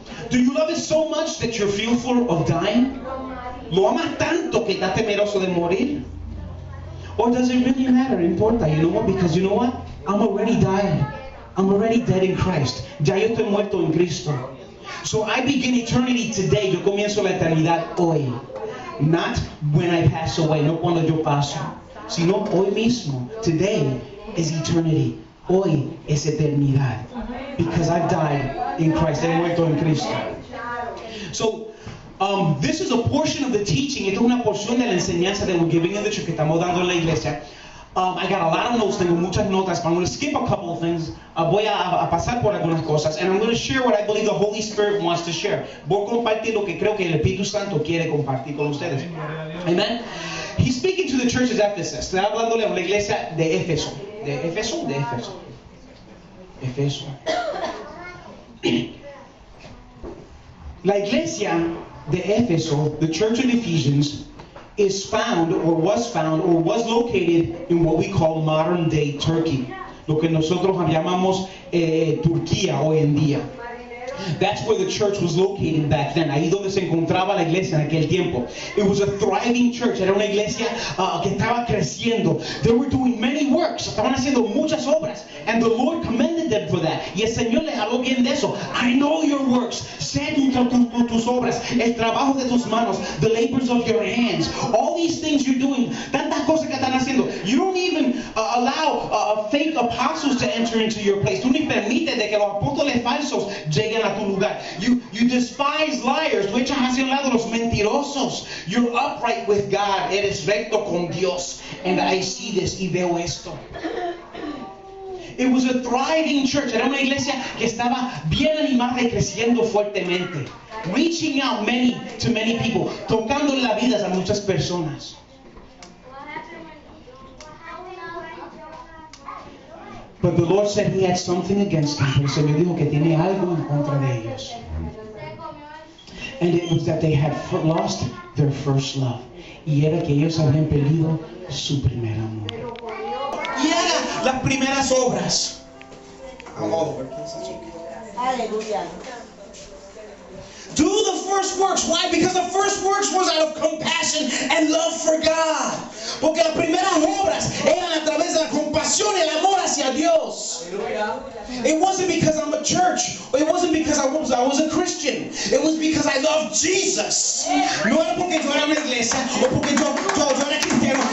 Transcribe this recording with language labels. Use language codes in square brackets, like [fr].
[en] Do you love it so much that you're fearful of dying? [es] ¿Lo amas tanto que estás temeroso de morir? [en] Or does it really matter, importa, you know what? Because you know what? I'm already dying. I'm already dead in Christ. [es] Ya yo estoy muerto en Cristo. [en] So I begin eternity today. [es] Yo comienzo la eternidad hoy. [en] Not when I pass away, [es] no cuando yo paso, sino hoy mismo. [en] Today is eternity. [es] Hoy es eternidad. [en] Because I've died in Christ. [es] He muerto en Cristo. [en] So this is a portion of the teaching. [es] Esto es una porción de la enseñanza [en] that we're giving in the church, [es] que estamos dando en la iglesia. [en] I got a lot of notes, [es] tengo muchas notas, [en] but I'm going to skip a couple of things. [es] Voy a pasar por algunas cosas, [en] and I'm going to share what I believe the Holy Spirit wants to share. [es] Voy a compartir lo que creo que el Espíritu Santo quiere compartir con ustedes. Amen. [en] He's speaking to the church of Ephesus. [es] Está hablándole a la iglesia de Éfeso. ¿De Éfeso? De Éfeso. [en] Éfeso. [es] La iglesia de Éfeso, [en] the church of Ephesians, is found or was located in what we call modern day Turkey, [es] lo que nosotros llamamos Turquía hoy en día. [en] That's where the church was located back then. [es] Ahí donde se encontraba la iglesia en aquel tiempo. [en] It was a thriving church. [es] Era una iglesia que estaba creciendo. [en] They were doing many works. [es] Estaban haciendo muchas obras. [en] And the Lord commended them for that. [es] Y el Señor les habló bien de eso. [en] I know your works. [es] Sé tus obras. El trabajo de tus manos. [en] The labors of your hands. All these things you're doing. [es] Tantas cosas que están haciendo. [en] You don't even allow fake apostles to enter into your place. [es] Tú ni permites de que los apóstoles falsos lleguen a tu lugar. [en] You despise liars. [es] Tú echas hacia un lado los mentirosos. [en] You're upright with God. [es] Eres recto con Dios. [en] And I see this. [es] Y veo esto. [en] It was a thriving church. [es] Era una iglesia que estaba bien animada y creciendo fuertemente. [en] Reaching out many to many people. [es] Tocando las vidas a muchas personas. [en] But the Lord said he had something against them. [es] El Señor dijo que tiene algo en contra de ellos. [en] And it was that they had lost their first love. [es] Y era que ellos habían perdido su primer amor. Y era las primeras obras. Aleluya. [en] Do the first works. Why? Because the first works was out of compassion and love for God. [es] Porque las primeras obras eran a través de la compasión y el amor hacia Dios. [en] It wasn't because I'm a church. It wasn't because I was a Christian. It was because I loved Jesus. [es] No era porque yo era una iglesia o porque yo era cristiano.